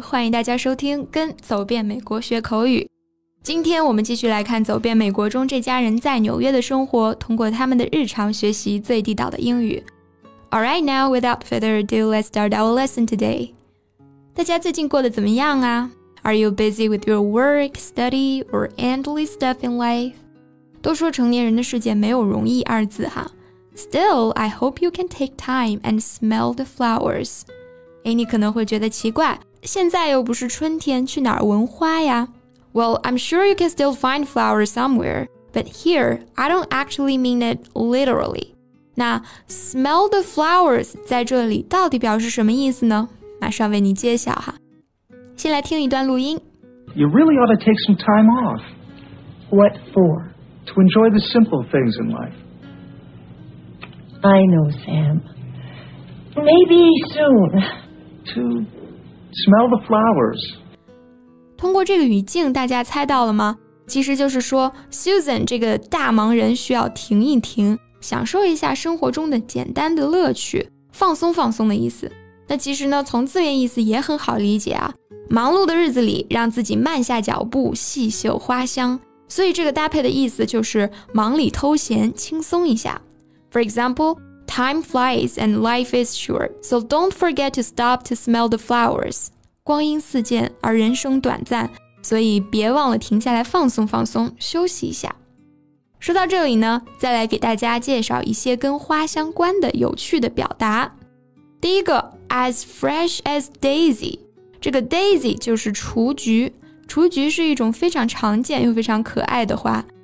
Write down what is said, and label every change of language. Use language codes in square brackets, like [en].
[zh] 欢迎大家收听跟走遍美国学口语。今天我们继续来看走遍美国中这家人在纽约的生活，通过他们的日常学习最地道的英语。 [en] All right, now without further ado, let's start our lesson today. [zh] 大家最近过得怎么样啊？ [en] Are you busy with your work, study, or endless stuff in life? [zh] 都说成年人的世界没有容易二字哈。 [en] Still, I hope you can take time and smell the flowers. [zh] 诶，你可能会觉得奇怪，现在又不是春天，去哪儿闻花呀？ [en] Well, I'm sure you can still find flowers somewhere. But here, I don't actually mean it literally. [zh] 那 [en] smell the flowers [zh] 在这里到底表示什么意思呢？马上为你揭晓哈。先来听一段录音。 [en] You really ought to take some time off. What for? To enjoy the simple things in life. I know, Sam. Maybe soon. To smell the flowers. [zh] 通过这个语境，大家猜到了吗？其实就是说 ，Susan 这个大忙人需要停一停，享受一下生活中的简单的乐趣，放松放松的意思。那其实呢，从字面意思也很好理解啊。忙碌的日子里，让自己慢下脚步，细嗅花香。所以这个搭配的意思就是忙里偷闲，轻松一下。 [en] For example, time flies and life is short, so don't forget to stop to smell the flowers. [zh] 光阴似箭而人生短暂，所以别忘了停下来放松放松，休息一下。说到这里呢，再来给大家介绍一些跟花相关的有趣的表达。第一个 , [en] as fresh as daisy, [zh] 这个 daisy 就是雏菊，雏菊是一种非常常见又非常可爱的花。